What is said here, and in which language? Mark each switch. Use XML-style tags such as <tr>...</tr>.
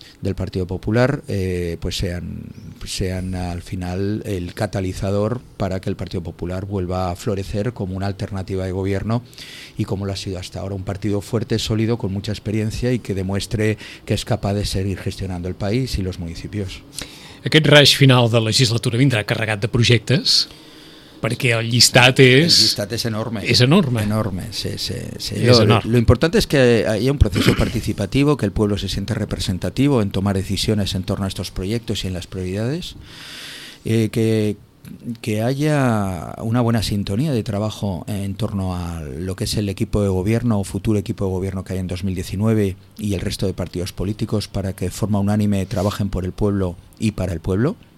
<es>del Partido Popular, pues sean al final el catalizador para que el Partido Popular vuelva a florecer como una alternativa de gobierno y como lo ha sido hasta ahora, un partido fuerte, sólido, con mucha experiencia y que demuestre que es capaz de seguir gestionando el país y los municipios.</es> <ca>Aquest raig final de legislatura vindrà carregat de projectes, perquè el llistat és... El llistat és enorme. És enorme. Enorme, sí.</ca> <es>Lo importante es que haya un proceso participativo, que el pueblo se siente representativo en tomar decisiones en torno a estos proyectos y en las prioridades, que haya una buena sintonía de trabajo en torno a lo que es el equipo de gobierno o futuro equipo de gobierno que hay en 2019 y el resto de partidos políticos para que de forma unánime trabajen por el pueblo y para el pueblo.</es>